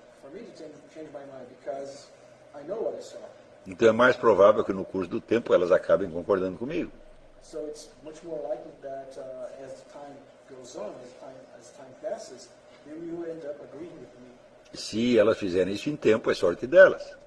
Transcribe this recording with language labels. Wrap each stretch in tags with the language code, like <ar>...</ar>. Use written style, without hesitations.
<en>for me to change my mind because I know what I saw.</en> <pt>Então é mais provável que no curso do tempo elas acabem concordando comigo.</pt> <en>So it's much more likely that as the time goes on, as time passes, they will end up agreeing with me.</en> <pt>Se elas fizerem isso em tempo, é sorte delas.</pt>